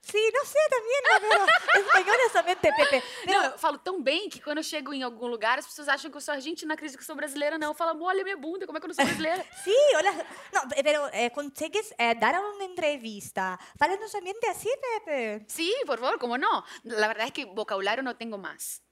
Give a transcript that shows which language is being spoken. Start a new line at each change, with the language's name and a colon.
Spanish: Sí, no sé, también, pero español es solamente Pepe. Pero...
Portuguese: Não, eu falo tão bem que quando eu chego em algum lugar, as pessoas acham que eu sou argentina, acredito que sou brasileira, não. Eu falo, olha minha bunda, como é que eu não sou brasileira?
Spanish: Sí, olha. No, pero consegues dar una entrevista falando solamente así, Pepe. Sí, por favor, ¿cómo no? La verdad es que vocabulario no tengo más.